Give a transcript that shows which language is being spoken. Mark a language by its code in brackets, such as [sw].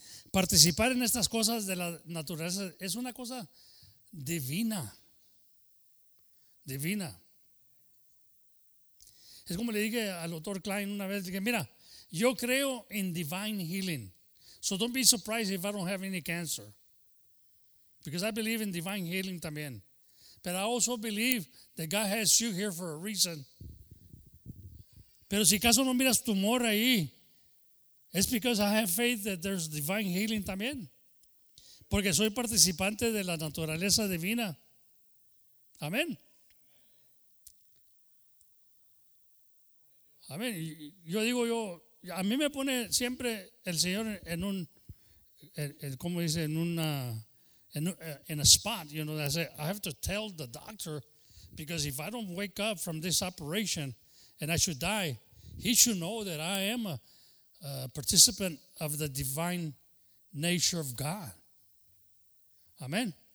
[es] Participar en estas cosas de la naturaleza es una cosa divina. Divina. Es como le dije al doctor Klein una vez, dije, mira, yo creo en [en] divine healing. So don't be surprised if I don't have any cancer. Because I believe in divine healing también. But I also believe that God has you here for a reason. [es] Pero si caso no miras tumor ahí, [en] it's because I have faith that there's divine healing también. [es] Porque soy participante de la naturaleza divina. Amén. Amén. Yo digo yo, a mí me pone siempre el Señor en un, ¿cómo dice? En una, en [en] a spot, you know, that I say, I have to tell the doctor, because if I don't wake up from this operation and I should die, he should know that I am a participant of the divine nature of God. Amen.